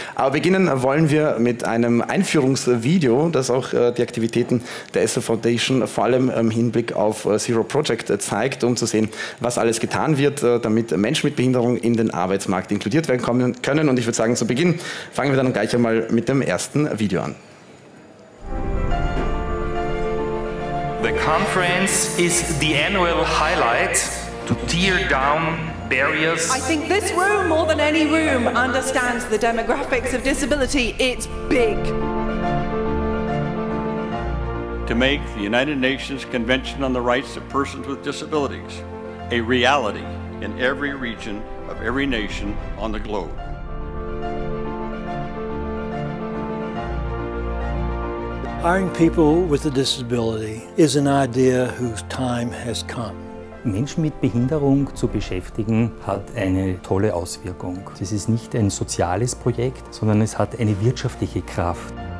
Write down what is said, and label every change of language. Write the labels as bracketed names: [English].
[German] Aber beginnen wollen wir mit einem Einführungsvideo, das auch die Aktivitäten der ESSA Foundation vor allem im Hinblick auf Zero Project zeigt, um zu sehen, was alles getan wird, damit Menschen mit Behinderung in den Arbeitsmarkt inkludiert werden können. Und ich würde sagen, zu Beginn fangen wir dann gleich einmal mit dem ersten Video an. [English] The conference is the annual highlight to tear down barriers. I think this room, more than any room, understands the demographics of disability. It's big. To make the United Nations Convention on the Rights of Persons with Disabilities a reality in every region of every nation on the globe. Hiring people with a disability is an idea whose time has come. [German] Menschen mit Behinderung zu beschäftigen, hat eine tolle Auswirkung. Es ist nicht ein soziales Projekt, sondern es hat eine wirtschaftliche Kraft.